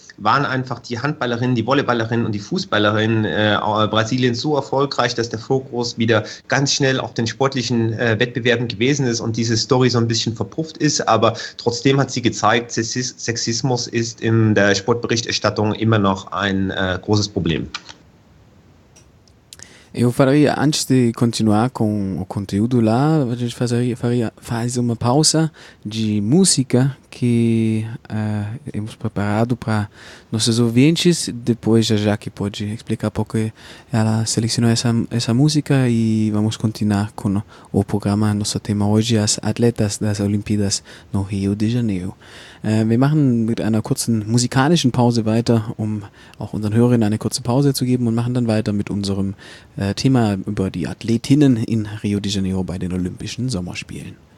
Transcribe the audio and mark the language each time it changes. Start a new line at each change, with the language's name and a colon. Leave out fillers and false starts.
German: waren einfach die Handballerinnen, die Volleyballerinnen und die Fußballerinnen Brasiliens so erfolgreich, dass der Fokus wieder ganz schnell auf den sportlichen Wettbewerben gewesen ist und diese Story so ein bisschen verpufft ist. Aber trotzdem hat sie gezeigt, Sexismus ist in der Sportberichterstattung immer noch ein großes Problem.
Portuguese: Eu faria, antes de continuar com o conteúdo lá, a gente faz uma pausa de música que temos preparado para nossos ouvintes. Depois a Jaque pode explicar porque ela selecionou essa música e vamos continuar com o programa. Nosso tema hoje, as atletas das Olimpíadas no Rio de Janeiro.
German: Wir machen mit einer kurzen musikalischen Pause weiter, um auch unseren Hörern eine kurze Pause zu geben und machen dann weiter mit unserem Thema über die Athletinnen in Rio de Janeiro bei den Olympischen Sommerspielen.